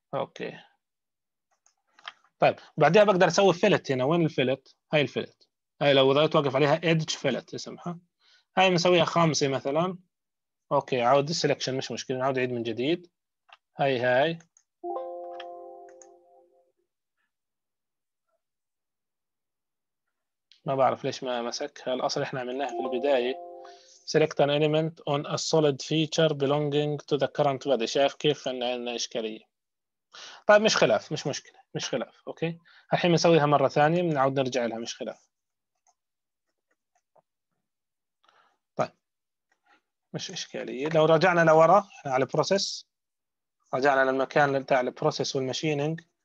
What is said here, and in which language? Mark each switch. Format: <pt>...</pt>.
<ar>اوكي طيب بعدها بقدر اسوي فيلت هنا، وين الفيلت؟ هاي الفيلت، هاي لو ضغطت واقف عليها ايدج فيلت اسمها، هاي بنسويها خمسه مثلا. اوكي عاود السلكشن مش مشكله، نعاود عيد من جديد. هاي هاي ما بعرف ليش ما مسك، الاصل احنا عملناها في البدايه.</ar> <en>Select an element on a solid feature belonging to the current body.</en> <ar>شايف كيف ان عندنا إشكالية. طيب مش خلاف، مش مشكلة، مش خلاف. أوكي الحين نسويها مرة ثانية، بنعود نرجع لها مش خلاف. طيب مش إشكالية. لو رجعنا لورا على process، رجعنا للمكان بتاع process والماشينينج.</ar>